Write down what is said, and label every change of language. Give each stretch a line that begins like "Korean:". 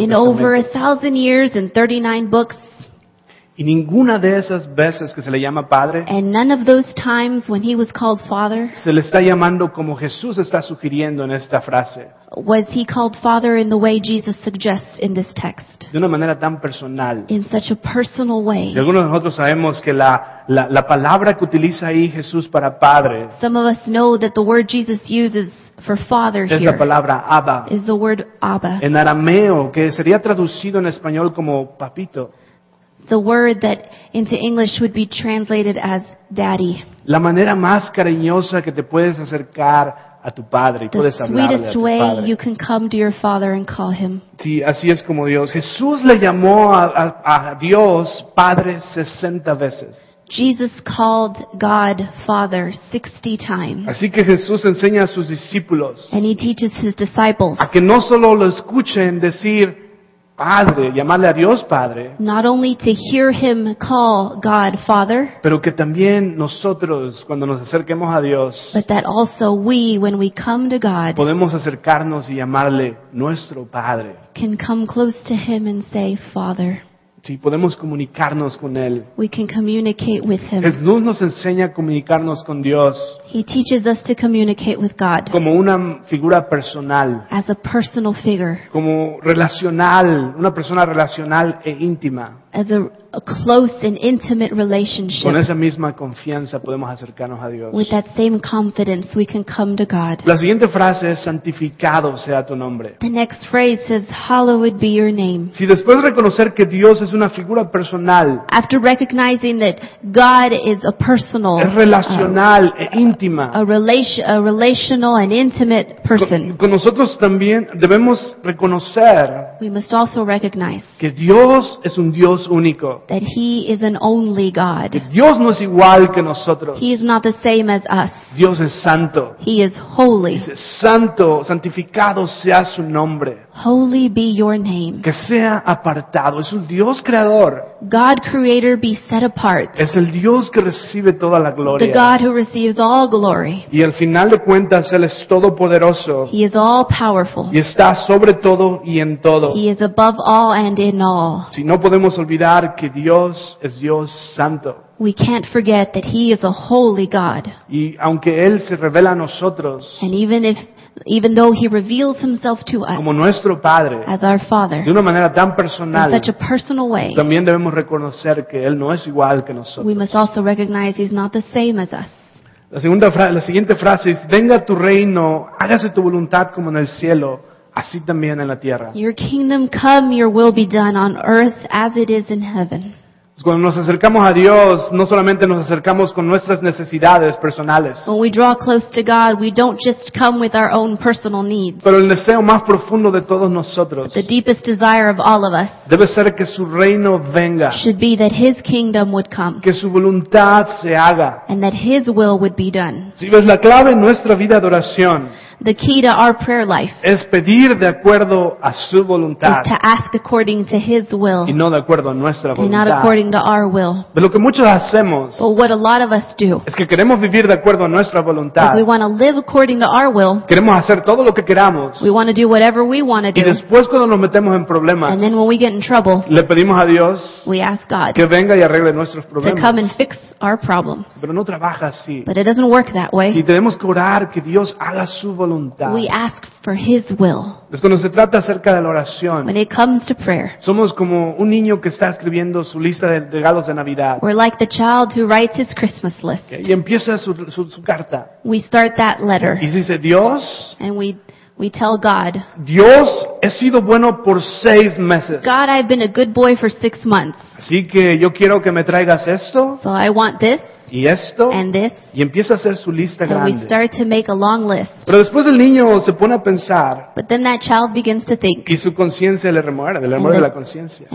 Spanish: Testamento.
English: In over 1,000 years and 39 books.
Spanish: Y ninguna de esas veces que se le llama Padre.
English: And none of those times when he was called Father.
Spanish: Se le está llamando como Jesús está sugiriendo en esta frase.
English: Was he called Father in the way Jesus suggests in this text?
Spanish: De una manera tan personal.
English: In such a personal way.
Spanish: Y algunos de nosotros sabemos que la palabra que utiliza ahí Jesús para Padre.
English: Some of us know that the word Jesus uses for Father here.
Spanish: Es la palabra Abba.
English: Is the word Abba.
Spanish: En arameo, que sería traducido en español como papito.
English: The word that into English would be translated as daddy.
Spanish: La manera más cariñosa que te puedes acercar a tu padre y puedes hablarle a tu padre.
English: The sweetest way you can come to your father and call him.
Spanish: Sí, así es como Dios. Jesús le llamó a Dios Padre 60 veces.
English: Jesus called God Father 60 times.
Spanish: Así que Jesús enseña a sus discípulos.
English: And he teaches his disciples.
Spanish: A que no solo lo escuchen decir Padre, llamarle a Dios Padre.
English: Not only to hear him call God Father.
Spanish: Pero que también nosotros cuando nos acerquemos a Dios.
English: But that also we when we come to God.
Spanish: Podemos acercarnos y llamarle nuestro Padre.
English: Can come close to him and say Father.
Spanish: Sí, podemos comunicarnos con él.
English: We can communicate with him.
Spanish: Jesús nos enseña a comunicarnos con Dios.
English: He teaches us to communicate with God.
Spanish: Como una figura personal.
English: As a personal figure.
Spanish: Como relacional, una persona relacional e íntima.
English: As a close and intimate relationship.
Spanish: Con esa misma confianza podemos acercarnos a Dios.
English: With that same confidence we can come to God.
Spanish: La siguiente frase es santificado sea tu nombre.
English: The next phrase says hallowed be your name.
Spanish: Si después de reconocer que Dios es una figura personal.
English: After recognizing that God is a personal.
Spanish: Es relacional e íntima.
English: A relational and intimate person.
Spanish: Con nosotros también debemos reconocer.
English: We must also recognize.
Spanish: Que Dios es un Dios único.
English: That he is an only God.
Spanish: Dios no es igual que nosotros.
English: He is not the same as us.
Spanish: Dios es santo.
English: He is holy.
Spanish: Dice, santo, santificado sea su nombre.
English: Holy be your name.
Spanish: Que sea apartado. Es un Dios creador.
English: God creator be set apart.
Spanish: Es el Dios que recibe toda la gloria.
English: The God who receives all glory.
Spanish: Y al final de cuentas, Él es todopoderoso.
English: He is all powerful.
Spanish: Y está sobre todo y en todo.
English: He is above all and in all.
Spanish: Si no podemos olvidar que Dios es Dios santo.
English: We can't forget that He is a holy God.
Spanish: Y aunque Él se revela a nosotros,
English: and even though He reveals Himself to us,
Spanish: como nuestro Padre,
English: as our Father,
Spanish: de una manera tan personal,
English: in such a personal way,
Spanish: también debemos reconocer que Él no es igual que nosotros.
English: We must also recognize He's not the same as us.
Spanish: La siguiente frase es: Venga tu reino, hágase tu voluntad como en el cielo, así también en la tierra.
English: Your kingdom come, your will be done on earth as it is in heaven.
Spanish: Cuando nos acercamos a Dios, no solamente nos acercamos con nuestras necesidades personales.
English: When we draw close to God, we don't just come with our own personal needs.
Spanish: Pero el deseo más profundo de todos nosotros,
English: the deepest desire of all of us,
Spanish: debe ser que su reino venga.
English: Should be that His kingdom would come.
Spanish: Que su voluntad se haga.
English: And that His will would be done.
Spanish: Si ves la clave en nuestra vida de oración,
English: the key to our prayer life,
Spanish: es pedir de acuerdo a su voluntad,
English: is to ask according to His will,
Spanish: y no de acuerdo a nuestra voluntad,
English: and not according to our will. But
Spanish: lo que muchos hacemos,
English: but what a lot of us do,
Spanish: es que queremos vivir de acuerdo a nuestra voluntad.
English: We want to live according to our will.
Spanish: Queremos hacer todo lo que queramos.
English: We want to do whatever we want to do.
Spanish: Y después cuando nos metemos en problemas,
English: and then when we get in trouble,
Spanish: le pedimos a Dios,
English: we ask God,
Spanish: que venga y arregle nuestros problemas,
English: to come and fix our problems.
Spanish: Pero no trabaja así.
English: But it doesn't work that way.
Spanish: Y tenemos que orar que Dios haga su voluntad.
English: We ask for His will.
Spanish: Es cuando se trata acerca de la oración.
English: When it comes to prayer,
Spanish: somos como un niño que está escribiendo su lista de regalos de Navidad.
English: We're like the child who writes his Christmas list.
Spanish: Y empieza su carta.
English: We start that letter.
Spanish: Y dice Dios.
English: And we tell God.
Spanish: Dios, he sido bueno por 6 meses.
English: God, I've been a good boy for 6 months.
Spanish: Así que yo quiero que me traigas esto.
English: So I want this.
Spanish: Y esto,
English: and this,
Spanish: y empieza a hacer su lista grande.
English: And we start to make a long list.
Spanish: Pero después el niño se pone a pensar.
English: But then that child begins to think.
Spanish: Y su conciencia le remuerde, le remuerde la conciencia.